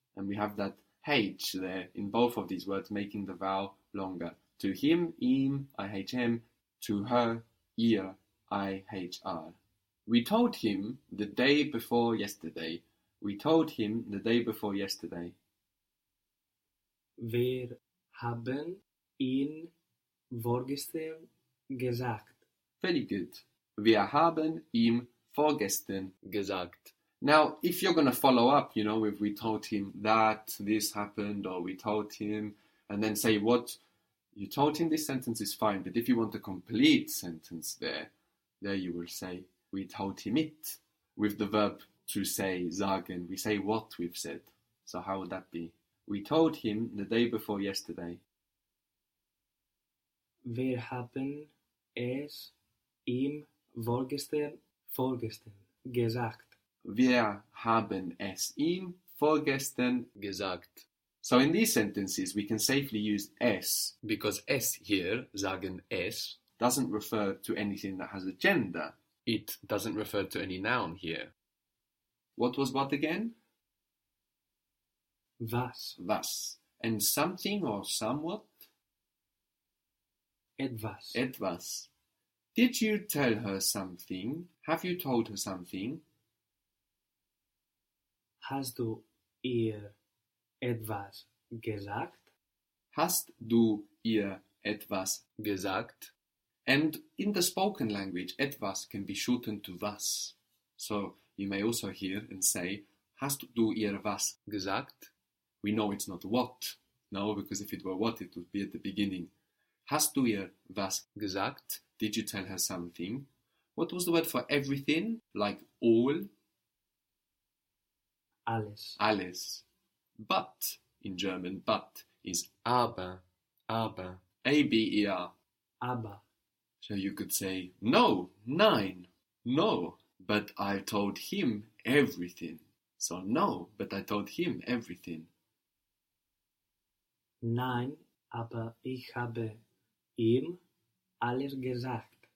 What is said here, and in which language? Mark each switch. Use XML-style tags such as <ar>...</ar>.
<en>And we have that H there in both of these words, making the vowel longer. To him, ihm, I-H-M. To her, ihr, I-H-R. We told him the day before yesterday. We told him the day before yesterday.</en> <de>Wir haben ihn vorgestern gesagt.</de> <en>Very good.</en> <de>Wir haben ihm vorgestern gesagt.</de> <en>Now, if you're going to follow up, you know, if we told him that this happened, or we told him, and then say what you told him, this sentence is fine. But if you want a complete sentence there you will say, we told him it, with the verb to say, sagen. We say what we've said. So how would that be? We told him the day before yesterday.</en> <de>Wir haben es ihm vorgestern gesagt. Wir haben es ihm vorgestern gesagt.</de> <en>So in these sentences we can safely use es, because es here, sagen es, doesn't refer to anything that has a gender. It doesn't refer to any noun here. What was what again?</en> <de>Was. Was.</de> <en>And something or somewhat?</en> <de>Etwas. Etwas.</de> <en>Did you tell her something? Have you told her something?</en> <de>Hast du ihr etwas gesagt? Hast du ihr etwas gesagt?</de> <en>And in the spoken language, etwas can be shortened to was. So you may also hear and say,</en> <de>hast du ihr was gesagt?</de> <en>We know it's not what. No, because if it were what, it would be at the beginning.</en> <de>Hast du ihr was gesagt?</de> <en>Did you tell her something? What was the word for everything, like all?</en> <de>Alles.</de> <en>Alles. But, in German, but is</en> <de>aber. Aber. A-B-E-R. Aber.</de> <en>So you could say, no, nein, no, but I told him everything. So no, but I told him everything.</en> <de>Nein, aber ich habe ihm alles gesagt.</de>